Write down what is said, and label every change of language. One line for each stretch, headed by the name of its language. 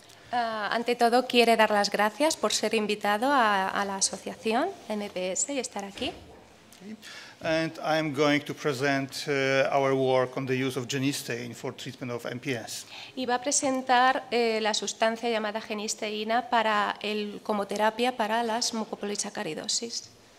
Spanish: Ante todo, quiere dar las gracias por ser invitado a la asociación MPS y estar aquí.
English: And I am going to present our work on the use of genisteine for treatment of MPS.
Spanish: Y va a presentar la sustancia llamada genisteína para el como terapia para las mucopolisacaridosis.